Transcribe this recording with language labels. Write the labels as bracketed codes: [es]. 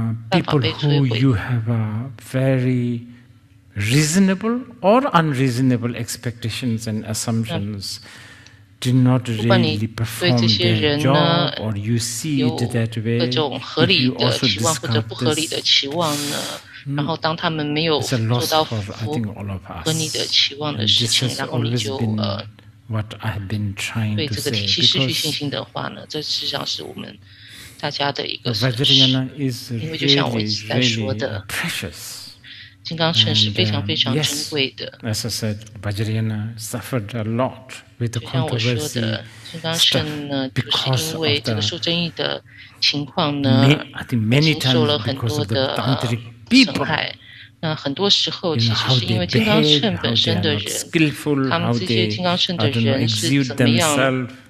[en] People who you have a very reasonable or unreasonable expectations and assumptions did not really perform their job, or you see it that way, if you also discard this, it's a loss for, I think, all of us. And this has always been what I have been trying to say. Because, [zh] 大家的一个损失，因为就像我一直在说的，金刚乘是非常非常珍贵的。 [en] As I said, Vajrayana suffered a lot with the controversy. [zh] 金刚乘呢，就是因为这个受争议的情况呢， [en] I think many times because of the tantric people. [zh] 那很多时候其实是因为金刚乘本身的人，他们这些金刚乘的人是怎么样？